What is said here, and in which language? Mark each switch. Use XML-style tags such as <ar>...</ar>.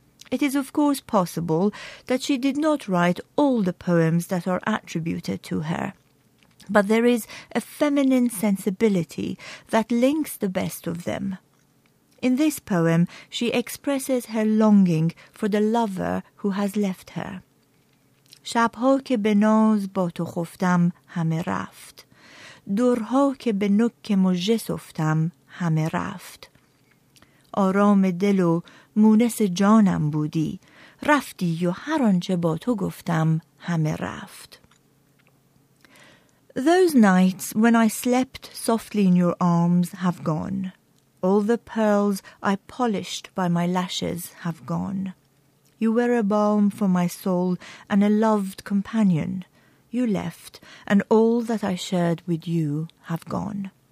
<en>It is of course possible that she did not write all the poems that are attributed to her, but there is a feminine sensibility that links the best of them. In this poem, she expresses her longing for the lover who has left her.</en> <fa>شبها که به ناز با تو خفتم همه رفت، دورها که به نک مژه سفتم همه رفت، آرام دل و مونس جانم بودی، رفتی و هر آنچه با تو گفتم همه رفت.</fa> <en>Those nights when I slept softly in your arms have gone. All the pearls I polished by my lashes have gone. You were a balm for my soul and a loved companion. You left, and all that I shared with you have gone.</en>